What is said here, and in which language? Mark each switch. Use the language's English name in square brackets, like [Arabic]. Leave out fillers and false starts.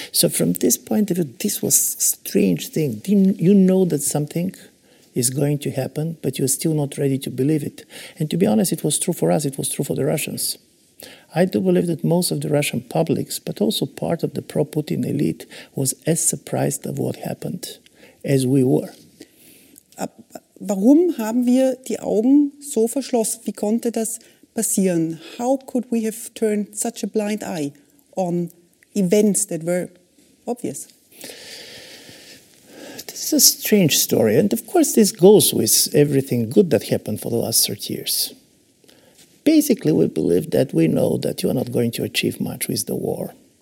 [English] So from this point of view, this was a strange thing. You know that something is going to happen, but you're still not ready to believe it. And to be honest, it was true for us, it was true for the Russians. I do believe that most of the Russian publics, but also part of the pro-Putin elite, was as surprised of what happened as we were. [German] Warum haben wir die Augen so verschlossen? Wie konnte das passieren? [English] How could we have turned such a blind eye on events that were obvious? This is a strange story. And of course, this goes with everything good that happened for the last 30 years. Basically, we believe that we know that you are not going to achieve much with the war.